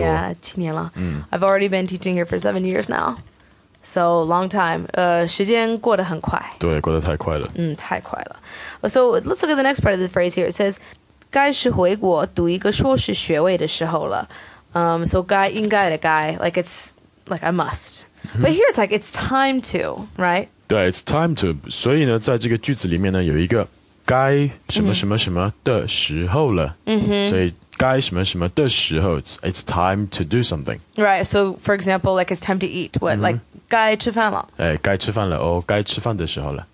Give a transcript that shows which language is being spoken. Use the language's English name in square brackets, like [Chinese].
[English] yeah, [Chinese] 七年了、 [English] mm-hmm. I've already been teaching here for 7 years now So long time、 [Chinese] 时间过得很快对过得太快了、嗯、太快了 [English] So let's look at the next part of the phrase here It says [Chinese] 该是回国读一个硕士学位的时候了、 [English] So [Chinese] 该应该的该 [English] Like it's like I mustMm-hmm. But here it's like, it's time to, right? 对, it's time to. [Chinese] 所以呢,在这个句子里面呢,有一个该什么什么什么的时候了。 Mm-hmm. 所以该什么什么的时候, [English] it's time to do something. Right, so for example, like it's time to eat. [Chinese] What, mm-hmm. like, 该吃饭了。哎,该吃饭了,哦,该吃饭的时候了。